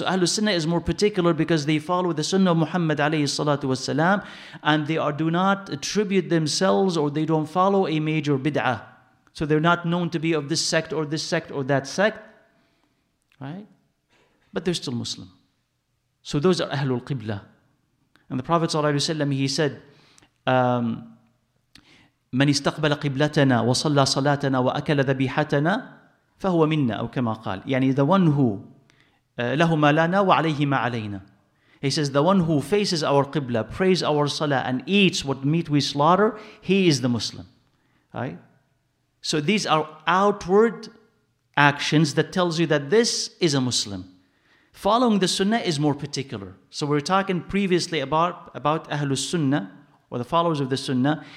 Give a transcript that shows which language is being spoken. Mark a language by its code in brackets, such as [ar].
[en] So Ahlul Sunnah is more particular because they follow the Sunnah of Muhammad alayhi salatu wasalam, and they do not attribute themselves or they don't follow a major bid'ah. So they're not known to be of this sect or that sect. Right? But they're still Muslim. So those are Ahlul Qibla. And the Prophet ﷺ, he said, [ar] مَنْ اسْتَقْبَلَ قِبْلَتَنَا وَصَلَّى صَلَاتَنَا وَأَكَلَ ذَبِيحَتَنَا فَهُوَ مِنَّا أَوْ كَمَا قَالَ. يعني [en] the one who [ar] لَهُمَا لَنَا وَعَلَيْهِ مَا عَلَيْنَا. [en] He says, the one who faces our Qibla, prays our Salah, and eats what meat we slaughter, he is the Muslim. Right? So these are outward actions that tells you that this is a Muslim. Following the Sunnah is more particular. So we were talking previously about Ahlul Sunnah, or the followers of the Sunnah.